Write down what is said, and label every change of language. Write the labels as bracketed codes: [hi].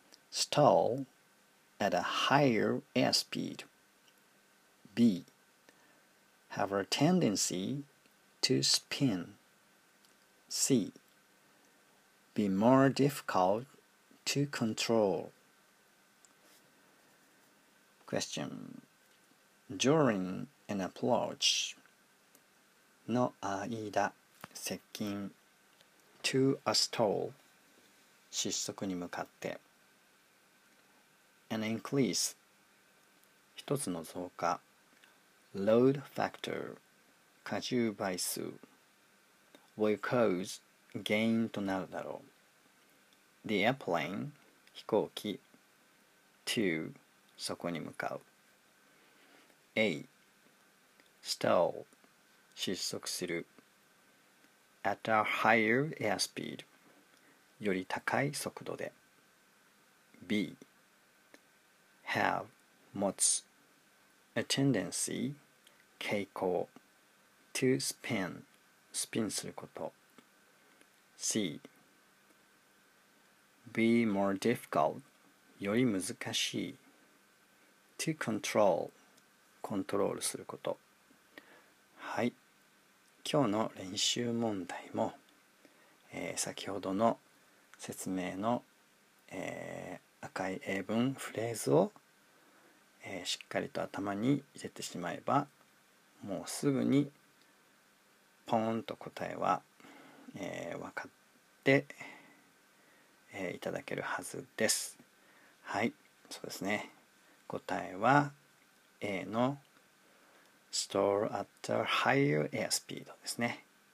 [en] stall at a higher airspeed. B. have a tendency to spin. C. be more difficult to control. Question. During an approach [ja] の間、接近 [en] to a stall [ja] 失速に向かって [en] an increase [ja] 一つの増加 [en] load factor [ja] 荷重倍数 [en] will cause [ja] 原因となるだろう [en] the airplane [ja] 飛行機 [en] to [ja] そこに向かう [en] A. stall [ja] 失速する [en] at a higher airspeed [ja] より高い速度で [en] B. have [ja] 持つ [en] a tendency [ja] 傾向 [en] to spin [ja] スピンすること [en] C. be more difficult [ja] より難しい [en] to control [ja] コントロールすること。はい、今日の練習問題も、先ほどの説明の、赤い英文フレーズを、しっかりと頭に入れてしまえばもうすぐにポーンと答えは、分かって、いただけるはずです。はい、そうですね。答えは A の [en] stall at a higher airspeed [ja] ですね。